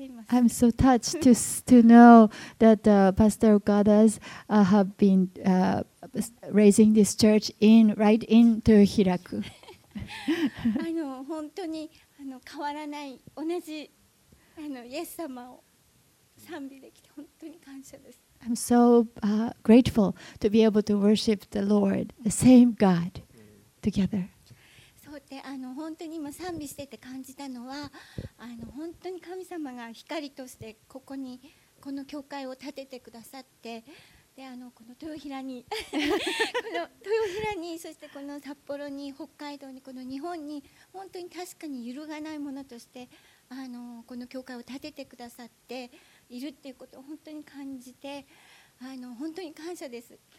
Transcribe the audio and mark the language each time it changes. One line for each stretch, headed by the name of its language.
English: I'm so touched to know that Pastor Okada's have been raising this church in right in Toyohiraku.
Japanese: 本当に変わらない同じイエス様を賛美できて本当に感謝です。
English: I'm so grateful to be able to worship the Lord, the same God, together.
Japanese: 本当に今賛美してて感じたのは本当に神様が光としてここにこの教会を建ててくださって、でこの豊平にこの豊平にそしてこの札幌に北海道にこの日本に本当に確かに揺るがないものとしてこの教会を建ててくださっているっていうことを本当に感じて本当に感謝です。